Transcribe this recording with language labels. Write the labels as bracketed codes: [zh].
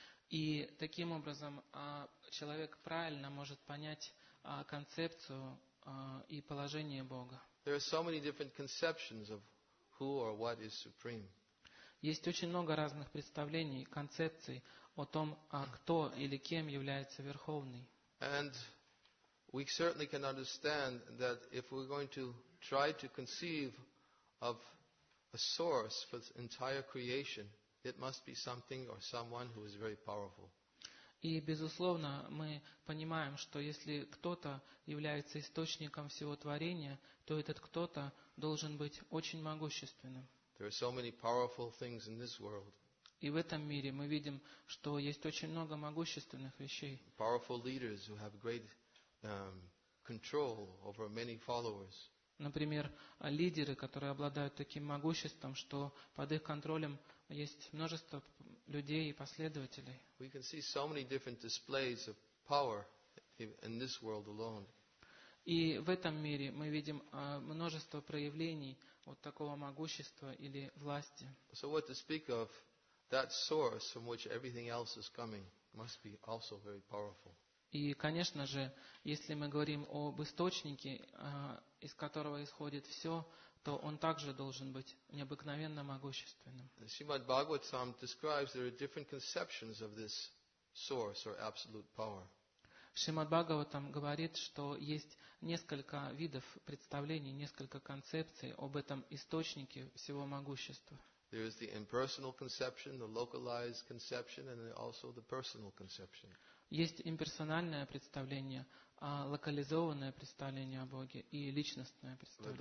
[ru] И таким образом человек правильно может понять концепцию и положение Бога. [en] There are so many different conceptions of who or what is supreme. [ru] Есть очень много разных представлений, концепций о том, кто или кем является Верховный. [en] And we certainly can understand that if we're going to try to conceive of a source for the entire creation, it must be something or someone who is very powerful. [ru] И безусловно, мы понимаем, что если кто-то является источником всего творения, то этот кто-то должен быть очень могущественным. [en] There are so many powerful things in this world. [ru] И в этом мире мы видим, что есть очень много могущественных вещей. [en] Powerful leaders who have great control over many followers. [ru] Например, лидеры, которые обладают таким могуществом, что под их контролем есть множество людей и последователей. [en] We can see so many different displays of power in this world alone. [ru] И в этом мире мы видим множество проявлений вот такого могущества или власти. [en] So what to speak of that source from which everything else is coming must be also very powerful. [ru] И, конечно же, если мы говорим об источнике, из которого исходит все, то он также должен быть необыкновенно могущественным. [en] Shrimad Bhagavatam describes there are different conceptions of this source or absolute power. [ru] Шримад Бхагаватам говорит, что есть несколько видов представлений, несколько концепций об этом источнике всего могущества. [en] There is the impersonal conception, the localized conception, and also the personal conception. [ru] Есть имперсональное представление, локализованное представление о Боге и личностное представление.